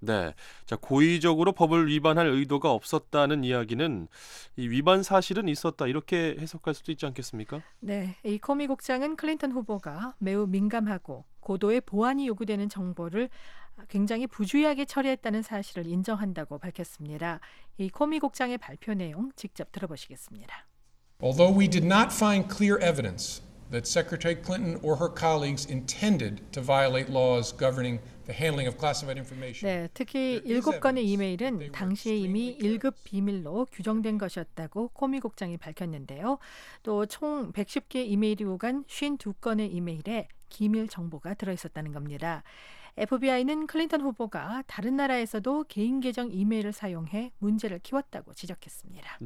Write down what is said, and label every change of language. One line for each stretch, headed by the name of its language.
Korean: 네, 자, 고의적으로 법을 위반할 의도가 없었다는 이야기는 이 위반 사실은 있었다 이렇게 해석할 수도 있지 않겠습니까? 네, 이 코미 국장은 클린턴 후보가 매우 민감하고 고도의 보안이 요구되는 정보를 굉장히 부주의하게 처리했다는 사실을 인정한다고 밝혔습니다. 이 코미 국장의 발표 내용 직접 들어보시겠습니다.
English: Although we did not find clear evidence that Secretary Clinton or her colleagues intended to violate laws governing the handling of classified information.
Korean: 네, 특히 일곱 건의 이메일은 당시에 이미 1급 비밀로 규정된 것이었다고 코미 국장이 밝혔는데요. 또 총 110개 이메일이 오간 52건의 이메일에 기밀 정보가 들어있었다는 겁니다. FBI는 클린턴 후보가 다른 나라에서도 개인 계정 이메일을 사용해 문제를 키웠다고 지적했습니다.